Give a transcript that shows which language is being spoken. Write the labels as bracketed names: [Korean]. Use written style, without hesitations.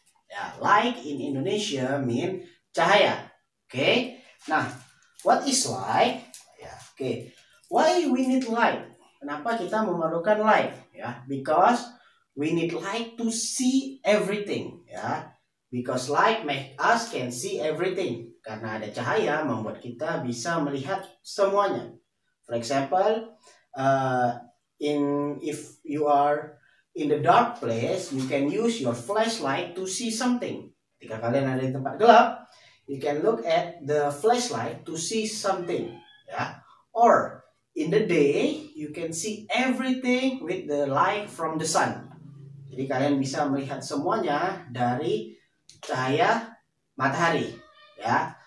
[English] Yeah, like in Indonesia mean cahaya. Okay? Nah, what is like? Yeah. Okay. Why we need light? [Indonesian] Kenapa kita memerlukan light? [English] Yeah, because we need light to see everything, yeah. Because light make us can see everything. [Indonesian] Karena ada cahaya membuat kita bisa melihat semuanya. [English] For example, if you are in the dark place, you can use your flashlight to see something. [Indonesian] Jika kalian ada di tempat gelap, [English] you can look at the flashlight to see something, yeah. Or in the day, you can see everything with the light from the sun. [Indonesian] Jadi kalian bisa melihat semuanya dari cahaya matahari, yeah.